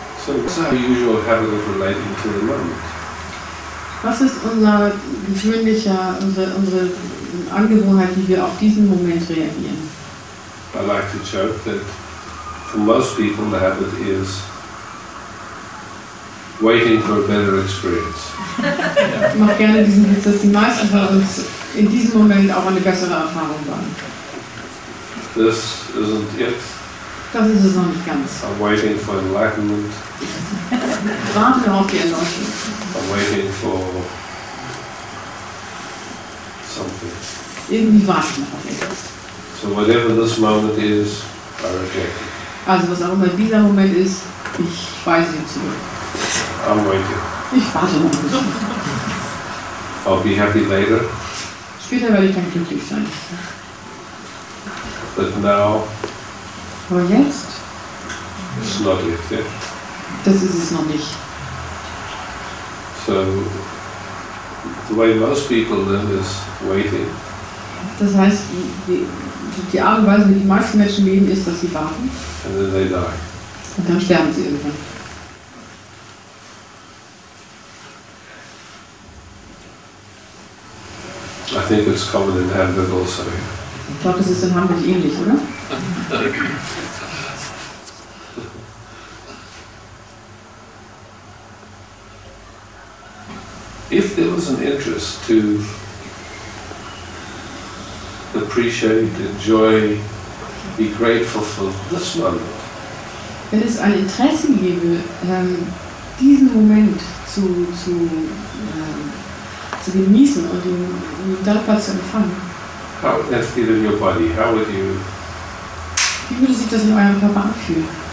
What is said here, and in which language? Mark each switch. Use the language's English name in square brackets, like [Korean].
[English] Usual habit of relating to the moment. [German] Was ist unser gewöhnlicher, unsere Angewohnheit, wie wir auf diesen Moment reagieren? [English] I like to joke that for most people the habit is waiting for a better experience. [German] Ich mache gerne diesen Witz, dass die meisten von uns in diesem Moment auch eine bessere Erfahrung waren. [English] This isn't it. [German] Das ist es noch nicht ganz. [English] I'm waiting for enlightenment. [German] Warte auf die Erleuchtung. [English] I'm waiting for something. [German] Irgendwie warte noch auf etwas. [English] So whatever this moment is, I reject it. [German] Also was auch immer dieser Moment ist, ich weise ihn zurück. [English] I'm waiting. [German] Ich warte noch ein bisschen. [English] I'll be happy later. [German] Später werde ich dann glücklich sein. [English] But now. [German] Aber jetzt? [English] It's not yet, yeah. [German] Das ist es noch nicht. [English] So, the way most people live is waiting. [German] Das heißt, die Art und Weise, wie die meisten Menschen leben, ist, dass sie warten. [English] And then they die. [German] Und dann sterben sie irgendwann. [English] I think it's common in Hamburg also. [German] Ich glaube, das ist in Hamburg ähnlich, oder? [English] If there was an interest to appreciate, enjoy, be grateful for this moment, [German] wenn es ein Interesse gäbe, diesen Moment zu genießen und ihn dankbar zu empfangen, [English] how would that feel in your body? How would you? [German] Wie würde sich das in eurem Körper anfühlen?